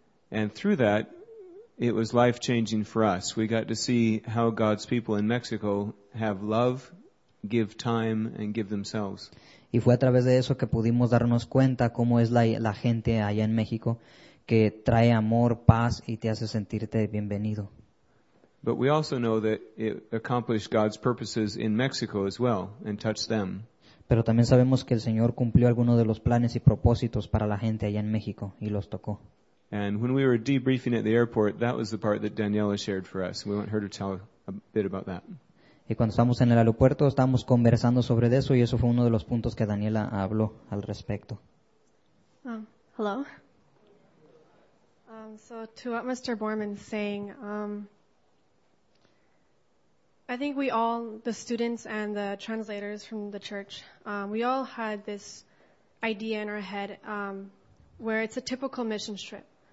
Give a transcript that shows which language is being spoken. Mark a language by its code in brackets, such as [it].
[en] And through that, it was life-changing for us. We got to see how God's people in Mexico have love, give time, and give themselves. [es] Y fue a través de eso que pudimos darnos cuenta cómo es la gente allá en México que trae amor, paz y te hace sentirte bienvenido. [en] But we also know that it accomplished God's purposes in Mexico as well and touched them. [es] Pero también sabemos que el Señor cumplió algunos de los planes y propósitos para la gente allá en México y los tocó. [en] And when we were debriefing at the airport, that was the part that Daniela shared for us. We want her to tell a bit about that. [es] Y cuando estábamos en el aeropuerto, estábamos conversando sobre eso y eso fue uno de los puntos que Daniela habló al respecto. [en] Hello. So to what Mr. Borman's saying, I think we all, the students and the translators from the church, we all had this idea in our head where it's a typical mission trip.